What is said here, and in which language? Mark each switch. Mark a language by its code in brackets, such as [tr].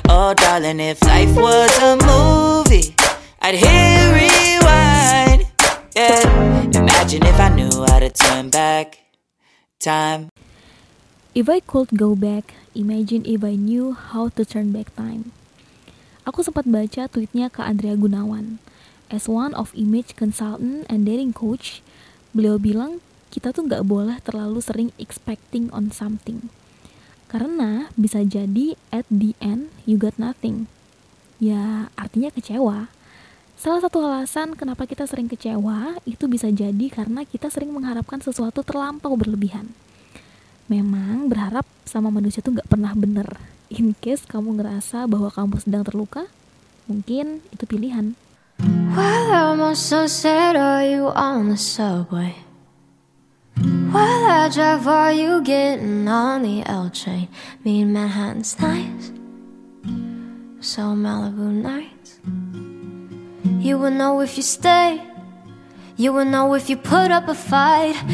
[en] Oh darling, if life was a movie, I'd hit rewind. Yeah. Imagine if I knew how to turn back time. If I could go back, imagine if I knew how to turn back time. [id] Aku sempat baca tweetnya ke Andrea Gunawan. [en] As one of image consultant and dating coach, [id] beliau bilang, kita tuh gak boleh terlalu sering [en] expecting on something. [id] Karena bisa jadi [en] at the end you got nothing. [id] Ya, artinya kecewa. Salah satu alasan kenapa kita sering kecewa, itu bisa jadi karena kita sering mengharapkan sesuatu terlampau berlebihan. Memang berharap sama manusia tuh gak pernah bener. In case kamu ngerasa bahwa kamu sedang terluka, mungkin itu pilihan. [en] Well, I'm also sad are you on the subway. While I drive, are you getting on the L train? Me and Manhattan's nice, so Malibu nights. You will know if you stay. You will know if you put up a fight.